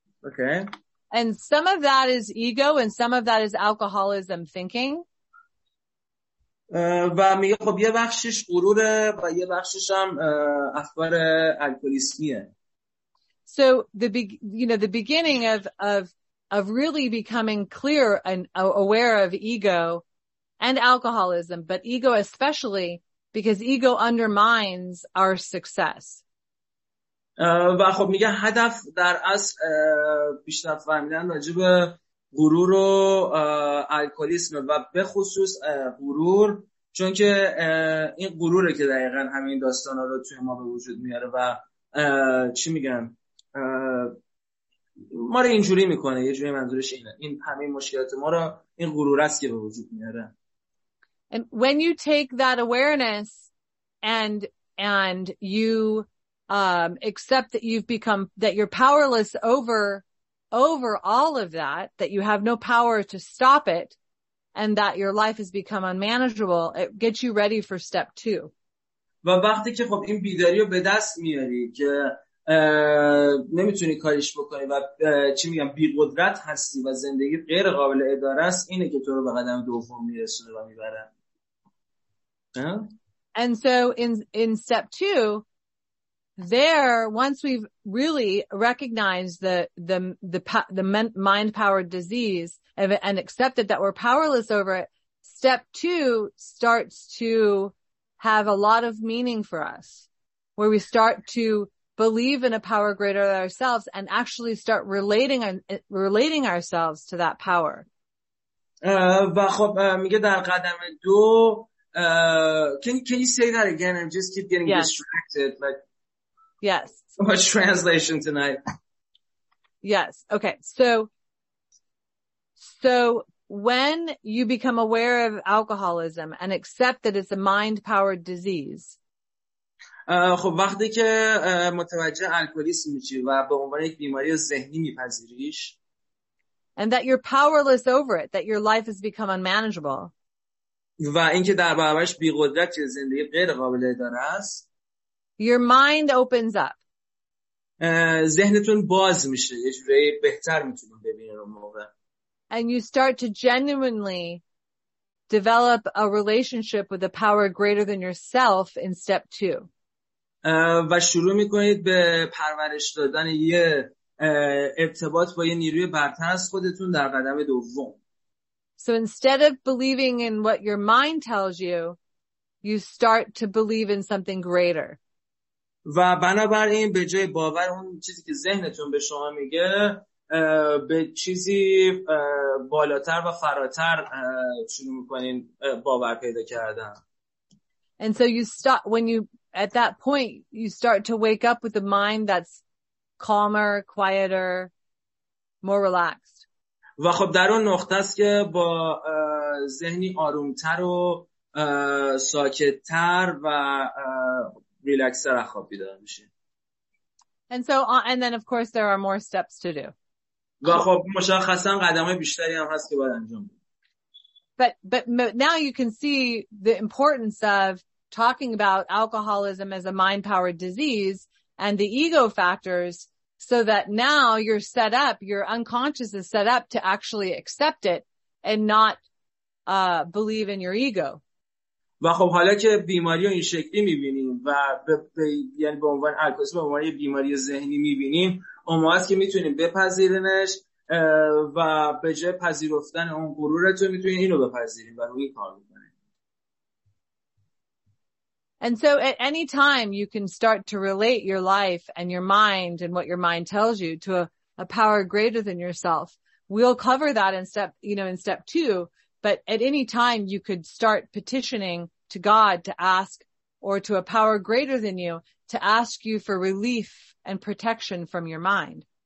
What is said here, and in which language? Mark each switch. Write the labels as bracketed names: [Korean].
[Persian] اوکی. [English] And some of that is ego and some of that is alcoholism thinking. [Persian] و میگه خب یه بخشش غروره و یه بخشش هم افکار الکلیسمیه. [English] So the the beginning of really becoming clear and aware of ego and alcoholism, but ego especially, because ego undermines our success. [Persian] و خب میگه هدف در اصل بیشتر فهمیدن راجب غرور و الکلیسم و به خصوص غرور، چون که این غروره که دقیقا همین داستانا رو توی ما به وجود میاره و چی میگن ما رو اینجوری میکنه، یه جوری منظورش اینه، این همه مشکلات ما رو این غرور است که به وجود میاره. [English] And when you take that awareness and you accept that you've become, that you're powerless over all of that, that you have no power to stop it, and that your life has become unmanageable, it gets you ready for step two. [Persian] و وقتی که خب این بیداری رو به دست میاری که نمیتونی کاریش بکنی و چی میگم بی قدرت هستی و زندگی غیر قابل اداره است، اینه که تو رو به قدم دوم میرسونه و میبره. [English] And so in step two, there, once we've really recognized the mind-powered disease and accepted that we're powerless over it, step two starts to have a lot of meaning for us, where we start to believe in a power greater than ourselves and actually start relating ourselves to that power. Can you say that again? I'm just keep getting distracted. Yes. So much translation tonight. Yes. Okay. So when you become aware of alcoholism and accept that it's a mind-powered disease. [Persian] خب وقتی که متوجه الکلیسم میشی و به عنوان یک بیماری ذهنی میپذیریش. [English] And that you're powerless over it, that your life has become unmanageable. [Persian] و اینکه در برابرش بی‌قدرت که زندگی غیر قابل اداره است. [English] Your mind opens up. [Persian] ذهنتون باز میشه. یه جوری بهتر میتونیم ببینیم اون موقع. [English] And you start to genuinely develop a relationship with a power greater than yourself in step two. [Persian] و شروع میکنید به پرورش دادن یه ارتباط با یه نیروی برتر از خودتون در قدم دوم. [English] So instead of believing in what your mind tells you, you start to believe in something greater. [Persian] و بنابراین به جای باور اون چیزی که ذهنتون به شما میگه، به چیزی بالاتر و فراتر شروع میکنین باور پیدا کردن. [English] And so you start, when you, at that point, you start to wake up with a mind that's calmer, quieter, more relaxed. [Persian] و خب در اون نقطه است که با ذهنی آرومتر و ساکتتر و ریلکس‌تر خواب بیدار میشه. [English] And so, and then of course there are more steps to do. [Persian] و خب مشخصا قدم‌های بیشتری هم هست که باید انجام بدیم. [English] But now you can see the importance of talking about alcoholism as a mind-powered disease and the ego factors, so that now you're set up, your unconscious is set up to actually accept it and not believe in your ego. [Persian] و خب حالا که بیماری رو این شکلی میبینیم و یعنی به عنوان الکلیسم به عنوان بیماری ذهنی میبینیم، اما هست که میتونیم بپذیرنش و به جای پذیرفتن اون غرورتون میتونیم اینو بپذیریم و روی کار میکنیم. [English] And so at any time you can start to relate your life and your mind and what your mind tells you to a power greater than yourself. We'll cover that in step two. But at any time you could start petitioning to God to ask, or to a power greater than you, to ask you for relief and protection from your mind.